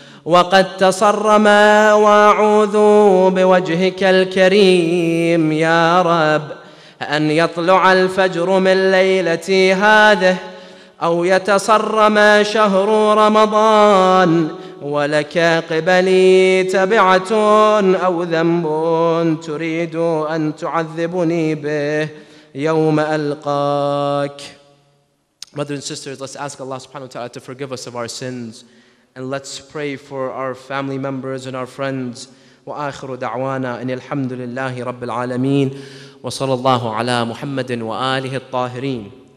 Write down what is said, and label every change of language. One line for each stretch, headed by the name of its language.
Arabic: وقد تصرما وأعوذ بوجهك الكريم يا رب أن يطلع الفجر من ليلتي هذه أو يتصرما شهر رمضان ولك قبلي تبعة أو ذنب تريد أن تعذبني به يوم ألقاك.
English: Brothers and sisters, let's ask Allah subhanahu wa ta'ala to forgive us of our sins, and let's pray for our family members and our friends.
Arabic: وآخر دعوانا أن الحمد لله رب العالمين وصلى الله على محمد وآله الطاهرين.